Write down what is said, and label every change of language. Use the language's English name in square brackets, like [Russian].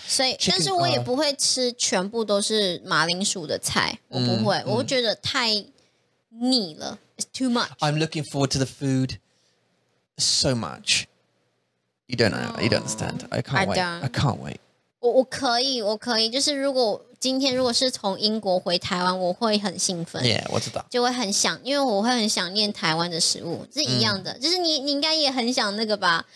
[Chinese] 所以，但是我也不会吃全部都是马铃薯的菜，我不会，我觉得太腻了。 [English] It's too much. I'm looking forward to the food so much. You don't know. You don't understand. I can't wait. I can't wait. [Chinese] 我可以，我可以，就是如果今天如果是从英国回台湾，我会很兴奋。 Yeah, 我知道，就会很想，因为我会很想念台湾的食物，是一样的。就是你应该也很想那个吧？